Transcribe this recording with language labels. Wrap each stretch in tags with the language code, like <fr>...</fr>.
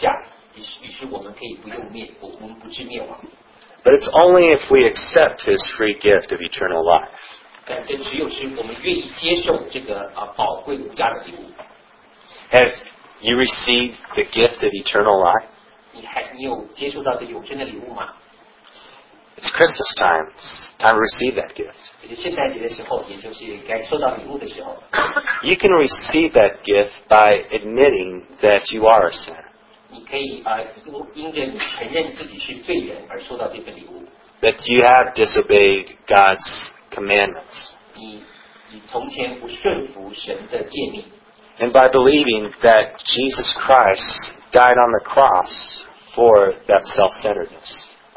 <zh>当耶稣死在十字架上的时候,他付了我们进地狱的工价,于是我们可以不用灭,我们不至灭亡。</zh> <en>But it's only if we accept his free gift of eternal life.</en> <zh>但这只有是我们愿意接受这个宝贵无价的礼物。</zh> <en>Have you received the gift of eternal life?</en> <zh>你有接受到这永生的礼物吗?</zh> <en>It's Christmas time. It's time to receive that gift.</en> <zh>现在你的时候,</zh> <en>you can receive that gift by admitting that you are a sinner. That you have disobeyed God's commandments.</en> <zh>你从前不顺服神的诫命。</zh> <en>And by believing that Jesus Christ died on the cross for that self-centeredness.</en>